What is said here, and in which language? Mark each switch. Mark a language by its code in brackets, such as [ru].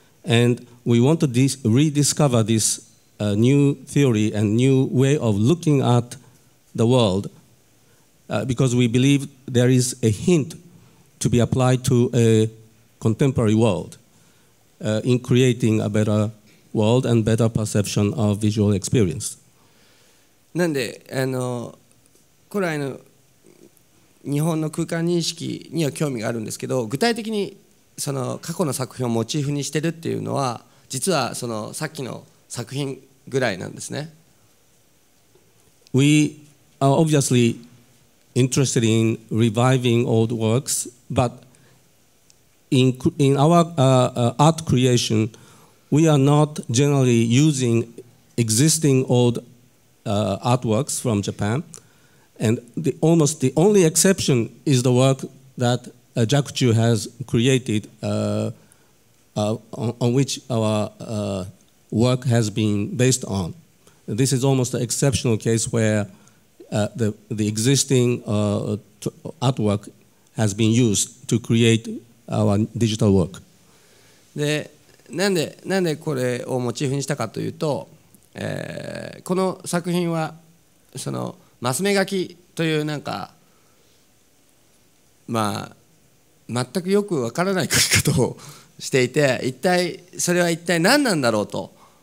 [en] And we want to rediscover this a new theory and new way of looking at the world because we believe there is a hint to be applied to a contemporary world in creating a better world and better perception of visual experience. [ja] なんで、あの、古来の日本の空間認識には興味があるんですけど、具体的にその過去の作品をモチーフにしてるっていうのは、実はそのさっきの作品ぐらいなんですね。 [en] We are obviously interested in reviving old works, but in our art creation, we are not generally using existing old artworks from Japan. And the almost the only exception is the work that Jakuchu has created on which our work has been based on. This is almost an exceptional case where the existing artwork has been used to create our digital work. [ja] で、なんでこれをモチーフにしたかというと、この作品はそのマス目書きというなんか、まあ、全くよくわからない書き方をしていて、一体それは一体何なんだろうと。